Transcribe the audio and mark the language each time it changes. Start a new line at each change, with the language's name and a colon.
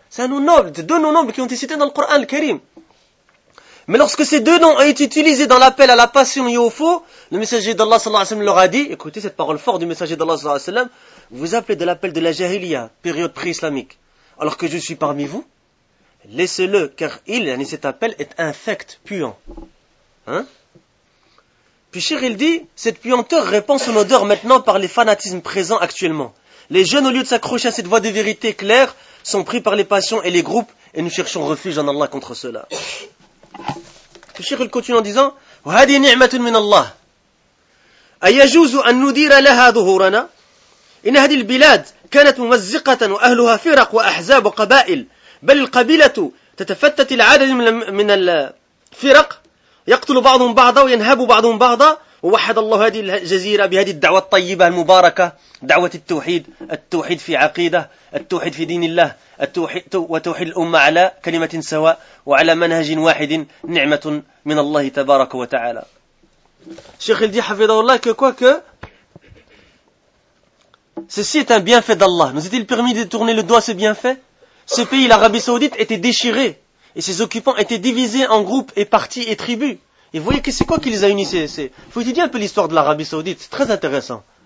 French: C'est deux noms nobles qui ont été cités dans le Coran al-Karim. Mais lorsque ces deux noms ont été utilisés dans l'appel à la passion et au faux, le messager d'Allah sallallahu alayhi wa sallam leur a dit, écoutez cette parole forte du messager d'Allah sallallahu alayhi wa sallam, vous appelez de l'appel de la jahiliya, période pré-islamique, alors que je suis parmi vous, laissez-le, car il, yani cet appel, est infect, puant. Hein? Puis Cheikh il dit, cette puanteur répand son odeur maintenant par les fanatismes présents actuellement. Les jeunes, au lieu de s'accrocher à cette voie de vérité claire, sont pris par les passions et les groupes, et nous cherchons refuge en Allah contre cela. Le Cheikh continue en disant,
Arabic: وهذه نعمة من الله، أيجوز أن ندير لها ظهورنا؟ إن هذه البلاد كانت ممزقة وأهلها فرق وأحزاب وقبائل، بل القبيلة تتفتت العدد من الفرق، يقتل بعضهم بعضا وينهب بعضهم بعضا، ووحد الله هذه الجزيرة بهذه الدعوة الطيبة المباركة، دعوة التوحيد، التوحيد في عقيدة، التوحيد في دين الله، التوحيد وتوحيد الأمة على كلمة سواء وعلى منهج واحد، نعمة من الله تبارك وتعالى. شيخ الدي حفظه الله كوك
French: ceci est un bienfait d'Allah. Nous est-il permis de tourner le doigt ce bienfait? Ce pays, l'Arabie Saoudite, était déchiré et ses occupants étaient divisés en groupes et partis et tribus. Et voyez que c'est quoi qui les a unis? C'est... Faut étudier un peu l'histoire de l'Arabie Saoudite, c'est très intéressant.